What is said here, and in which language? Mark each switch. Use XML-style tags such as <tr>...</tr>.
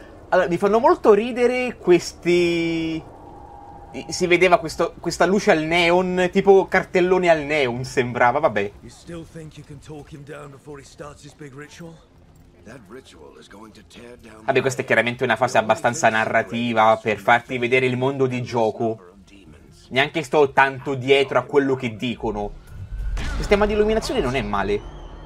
<it>Allora, mi fanno molto ridere questi. Si vedeva questa luce al neon, tipo cartellone al neon, sembrava, vabbè.</it> <en>You still think you can talk him down before he starts his big ritual? That ritual is going to tear down.</en> <it>Vabbè, questa è chiaramente una fase abbastanza narrativa per farti vedere il mondo di gioco. Neanche sto tanto dietro a quello che dicono. Il sistema di illuminazione non è male.</it>